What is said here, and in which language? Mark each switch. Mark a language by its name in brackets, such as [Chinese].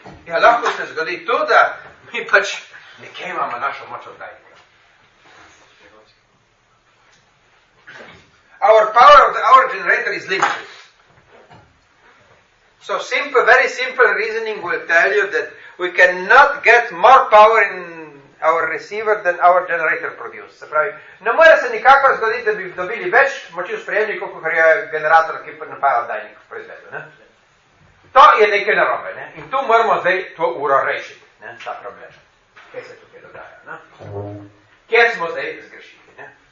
[Slovenian] Ja, lahko se zgodi to, da mi pač nekaj imamo našo moč oddajnika. [English] Our power of our generator is limited. So simple, very simple reasoning will tell you that we cannot get more power in our receiver than our generator produces. [Slovenian] Se pravi, ne more se nikakor zgoditi, da bi dobili več moči v sprejemniku, kot je generator, ki pa napaja oddajnik v proizvedu. Ne? To je nekaj narobe, ne? In tu moramo zdaj to uro rešiti, ne? Ta problem. Kaj se tukaj dogaja, ne? Kje smo zdaj zgrešili, ne?